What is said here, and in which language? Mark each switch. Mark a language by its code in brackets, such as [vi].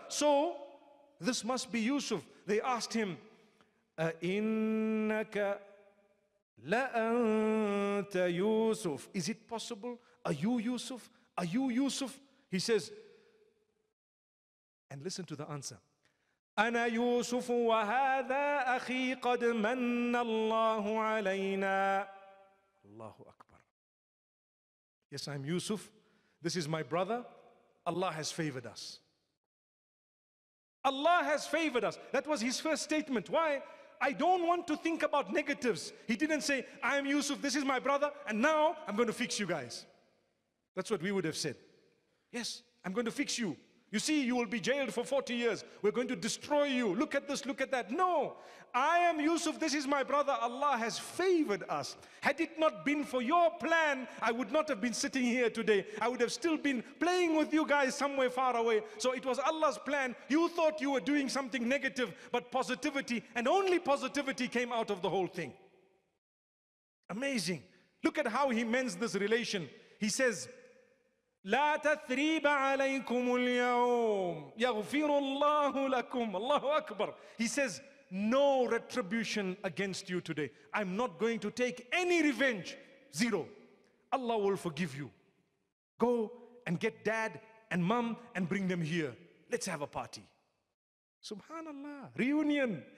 [en] So this must be Yusuf. They asked him, [ar] أَإِنَّكَ لَأَنْتَ يُوسُفُ [en] Is it possible? Are you Yusuf? Are you Yusuf? He says, and listen to the answer. [ar] أَنَا يُوسُفُ وَهَذَا أَخِي قَدْ مَنَّ اللَّهُ عَلَيْنَا Allahu Akbar. [en] Yes, I'm Yusuf. This is my brother. Allah has favored us. Allah has favored us. That was his first statement. Why? I don't want to think about negatives. He didn't say, I am Yusuf, this is my brother, and now I'm going to fix you guys. That's what we would have said. Yes, I'm going to fix you. You see, you will be jailed for 40 years. We're going to destroy you. Look at this, look at that. No, I am Yusuf, this is my brother. Allah has favored us. Had it not been for your plan, I would not have been sitting here today. I would have still been playing with you guys somewhere far away. So it was Allah's plan. You thought you were doing something negative, but positivity and only positivity came out of the whole thing. Amazing. Look at how he mends this relation. He says, [ar] لَا تَثْرِيبَ عَلَيْكُمُ الْيَوْمِ يَغْفِرُ اللَّهُ لَكُمْ Allahu Akbar. [en] He says, no retribution against you today. I'm not going to take any revenge. Zero. Allah will forgive you. Go and get dad and mom and bring them here. Let's have a party. Subhanallah. Reunion.